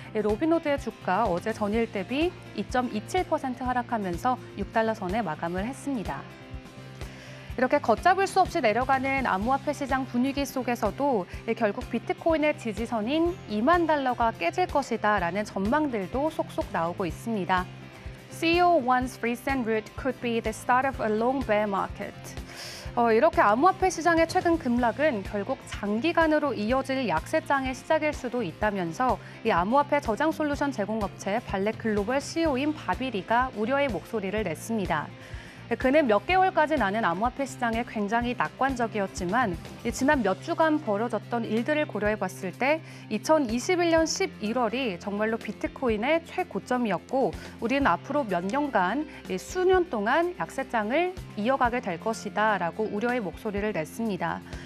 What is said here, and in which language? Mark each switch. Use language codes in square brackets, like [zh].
[ko] 로빈후드의 주가 어제 전일 대비 2.27% 하락하면서 6달러 선에 마감을 했습니다. 이렇게 걷잡을 수 없이 내려가는 암호화폐 시장 분위기 속에서도 결국 비트코인의 지지선인 2만 달러가 깨질 것이다 라는 전망들도 속속 나오고 있습니다. [en] CO1 recent route could be the start of a long bear market. [ko] 이렇게 암호화폐 시장의 최근 급락은 결국 장기간으로 이어질 약세장의 시작일 수도 있다면서 이 암호화폐 저장 솔루션 제공업체 발렉 글로벌 CEO인 바비리가 우려의 목소리를 냈습니다. 그는 몇 개월까지 나는 암호화폐 시장에 굉장히 낙관적이었지만 지난 몇 주간 벌어졌던 일들을 고려해봤을 때 2021년 11월이 정말로 비트코인의 최고점이었고 우리는 앞으로 몇 년간, 수년 동안 약세장을 이어가게 될 것이다 라고 우려의 목소리를 냈습니다.